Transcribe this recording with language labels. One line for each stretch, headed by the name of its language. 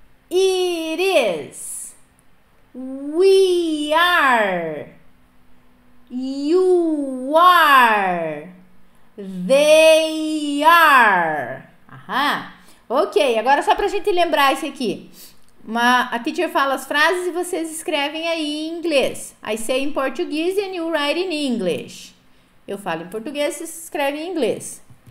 English: It is. We are. You are. They are. Aham.
Portuguese: Ok, agora só pra gente lembrar isso aqui. A teacher fala as frases e vocês escrevem aí em inglês.
English: I say in Portuguese and you write in English.
Portuguese: Eu falo em português e vocês escrevem em inglês.